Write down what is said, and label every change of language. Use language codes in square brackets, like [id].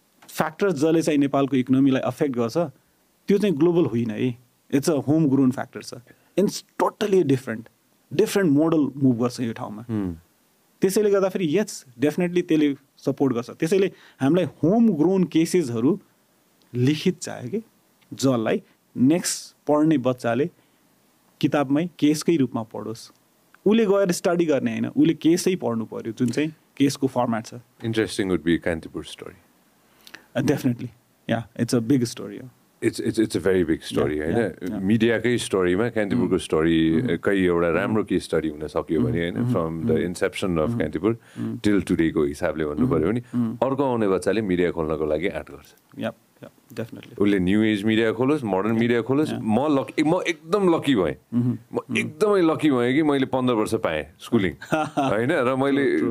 [ne] factors जसले चाहिँ नेपालको इकोनोमीलाई अफेक्ट गर्छ त्यो चाहिँ ग्लोबल होइन है [en] it's a home grown factor [ne] छ [en] it's totally different different model move [ne] गर्छ यो ठाउँमा त्यसैले गर्दा फेरि यस डेफिनेटली त्यसले सपोर्ट गर्छ त्यसैले हामीलाई होम ग्रोन केसेसहरू लिखित चाहियो कि जसलाई नेक्स्ट पढ्ने बच्चाले किताबमै केसकै रूपमा पढोस् उसले गएर स्टडी गर्ने होइन उसले केसै पढ्नु पर्यो जुन चाहिँ केसको फर्मेट छ [en] interesting would be Kantipur story definitely yeah it's a big story it's a very big story [ne] होइन मिडियाकै स्टोरीमा कान्तिपुरको स्टोरीकै एउटा राम्रो केस स्टडी हुन सक्यो भने होइन [en] from the inception of Kantipur till टुडेको [ne] हिसाबले भन्नु पऱ्यो भने अर्को आउने बच्चाले मिडिया खोल्नको लागि आँट गर्छ उसले new as media खोलोस् modern media खोलोस् म एकदम लकी भएँ म एकदमै लकी भएँ कि मैले 15 वर्ष पाएँ स्कुलिङ होइन र मैले